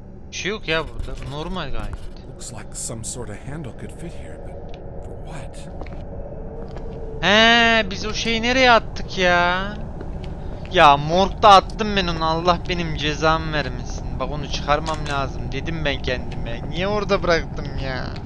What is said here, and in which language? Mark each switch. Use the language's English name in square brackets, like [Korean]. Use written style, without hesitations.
[Turkish] Şey yok ya burada, normal gayet. [English] Looks like some sort of handle could fit here, but for what? [Turkish] He, biz o şeyi nereye attık ya? Ya morgda attım ben onu. Allah benim cezam vermesin. Bak onu çıkarmam lazım dedim ben kendime. Niye orada bıraktım ya?